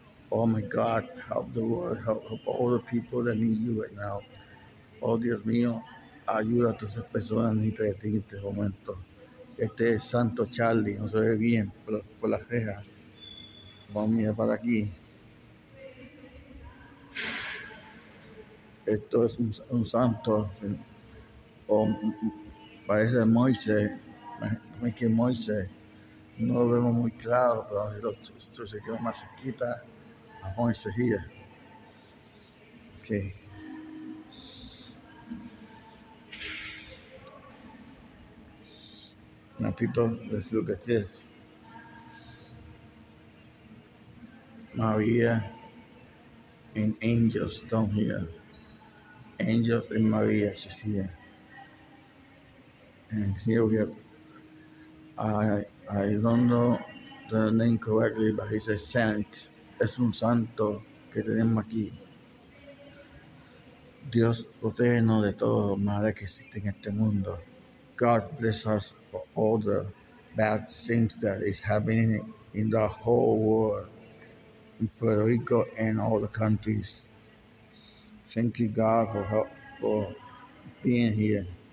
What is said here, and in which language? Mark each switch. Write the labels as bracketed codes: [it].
[en] Oh my God, help the world, help all the people that need you right now. [es] Oh Dios mío, ayuda a todas las personas que necesitan de ti en este momento. Este es Santo Charlie, no se ve bien por la ceja. Vamos a mirar para aquí. Esto es un santo. Parece Moisés, me que Moisés, no lo vemos muy claro, pero esto se quedó más cerquita a Moisés here. [en] Okay. Now people, let's look at this. Maria and angels down here. Angels and Maria is here. And here we have, I don't know the name correctly, but he's a saint. [es] Es un santo que tenemos aquí. Dios protegernos de todos los males que existen en este mundo. [en] God bless us for all the bad things that is happening in the whole world, in Puerto Rico and all the countries. Thank you, God, for help, for being here.